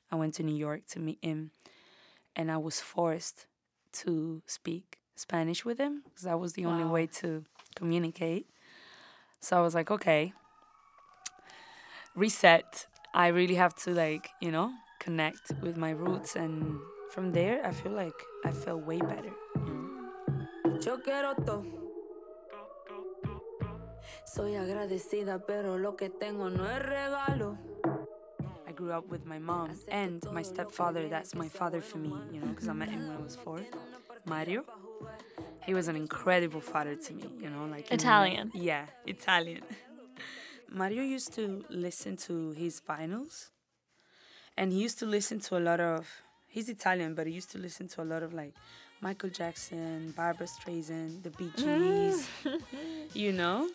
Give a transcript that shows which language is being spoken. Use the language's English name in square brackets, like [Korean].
[English] I went to New York to meet him. And I was forced to speak Spanish with him because that was the only way to communicate. So I was like, okay, reset. I really have to, like, you know, connect with my roots. And from there, I feel like I feel way better. [Spanish] Yo quiero todo. Soy agradecida, pero lo que tengo no es regalo. [English] I grew up with my mom and my stepfather. That's my father for me, you know, because I met him when I was 4. Mario. He was an incredible father to me, you know, like Italian. Yeah, Italian. Mario used to listen to his vinyls, and he used to listen to a lot of, he's Italian, but he used to listen to a lot of, like, Michael Jackson, Barbra Streisand, the Bee Gees, you know?